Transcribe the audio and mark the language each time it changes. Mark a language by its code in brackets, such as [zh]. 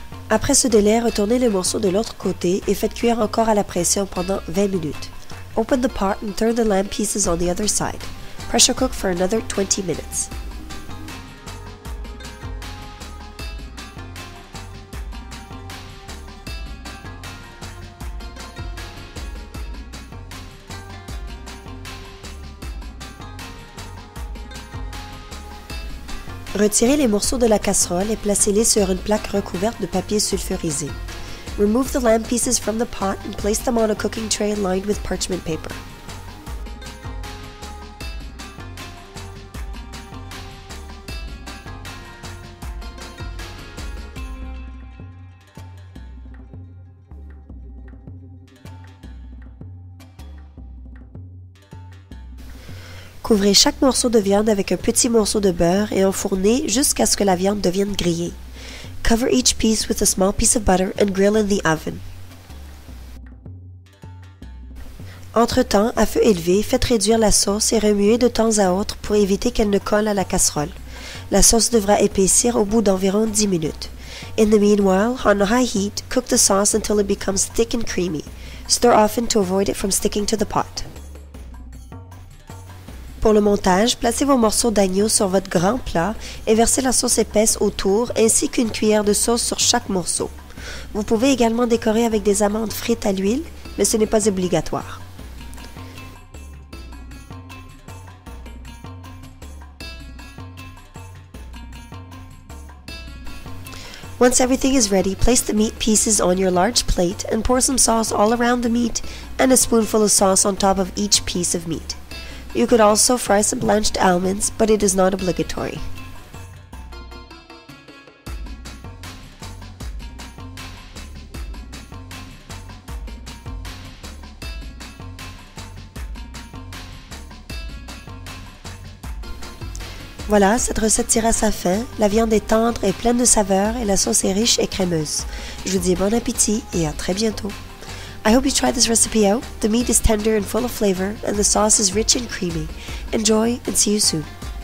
[fr] Après ce délai, retournez les morceaux de l'autre côté et faites cuire encore à la pression pendant 20 minutes. [en] Open the pot and turn the lamb pieces on the other side. Pressure cook for another 20 minutes. [fr] Retirez les morceaux de la casserole et placez-les sur une plaque recouverte de papier sulfurisé. [en] Remove the lamb pieces from the pot and place them on a cooking tray lined with parchment paper. [fr] Couvrez chaque morceau de viande avec un petit morceau de beurre et enfournez jusqu'à ce que la viande devienne grillée. [en] Cover each piece with a small piece of butter and grill in the oven. [fr] Entre-temps, à feu élevé, faites réduire la sauce et remuez de temps à autre pour éviter qu'elle ne colle à la casserole. La sauce devra épaissir au bout d'environ 10 minutes. [en] In the meanwhile, on high heat, cook the sauce until it becomes thick and creamy. Stir often to avoid it from sticking to the pot. [fr] Pour le montage, placez vos morceaux d'agneau sur votre grand plat et versez la sauce épaisse autour ainsi qu'une cuillère de sauce sur chaque morceau. Vous pouvez également décorer avec des amandes frites à l'huile, mais ce n'est pas obligatoire. [en] Once everything is ready, place the meat pieces on your large plate and pour some sauce all around the meat and a spoonful of sauce on top of each piece of meat. You could also fry some blanched almonds, but it is not obligatory. [fr] Voilà, cette recette tire à sa fin. La viande est tendre et pleine de saveurs et la sauce est riche et crémeuse. Je vous dis bon appétit et à très bientôt. [en] I hope you try this recipe out. The meat is tender and full of flavor, and the sauce is rich and creamy. Enjoy, and see you soon.